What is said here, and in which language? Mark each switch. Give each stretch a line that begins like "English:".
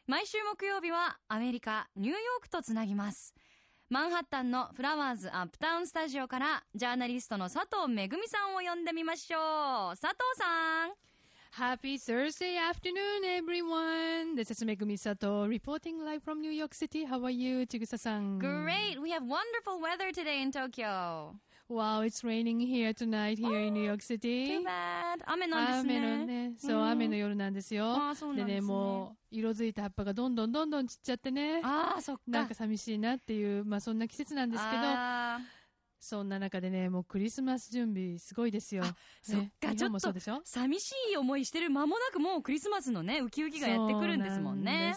Japanese: 毎週木曜日はアメリカ、ニューヨークとつなぎます。マンハッタンのフラワーズアップタウンスタジオからジャーナリストの佐藤めぐみさんを呼んでみましょう。佐藤さん。
English: Happy Thursday afternoon, everyone. This is Megumi Sato reporting live from New York City. How are you, Chigusa-san? Great. We have wonderful weather today in Tokyo. Wow, it's raining here tonight here in New York City. Too bad.
Japanese: 雨なんですね。雨のね。そう、雨の夜なんですよ。ああ、そうなんですね。でね、もう、色づいた葉っぱがどんどんどんどん散っちゃってね。ああ、そっか。なんか寂しいなっていう、まあそんな季節なんですけど。そんな中でね、もうクリスマス準備すごいですよ。あ、そっか、ね、日本もそうでしょ？寂しい思いしてる間もなくもうクリスマスのね、ウキウキがやってくるんですもんね。